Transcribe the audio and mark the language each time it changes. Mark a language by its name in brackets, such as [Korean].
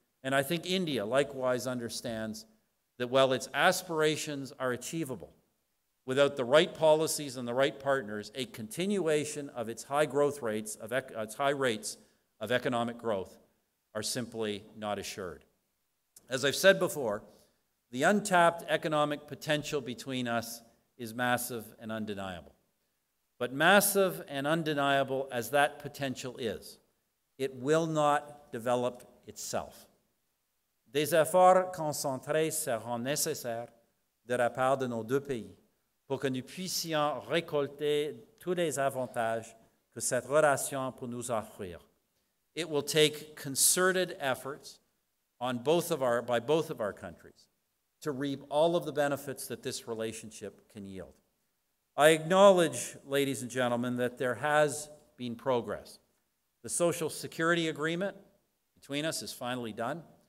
[English] And I think India likewise understands that while its aspirations are achievable, without the right policies and the right partners, a continuation of its high growth rates, of economic growth, are simply not assured. As I've said before, the untapped economic potential between us is massive and undeniable. But massive and undeniable as that potential is, it will not develop itself. [French] Des efforts concentrés seront nécessaires de la part de nos deux pays pour que nous puissions récolter tous les avantages que cette relation peut nous offrir. [English] It will take concerted efforts by both of our countries to reap all of the benefits that this relationship can yield. I acknowledge, ladies and gentlemen, that there has been progress. The Social Security Agreement between us is finally done.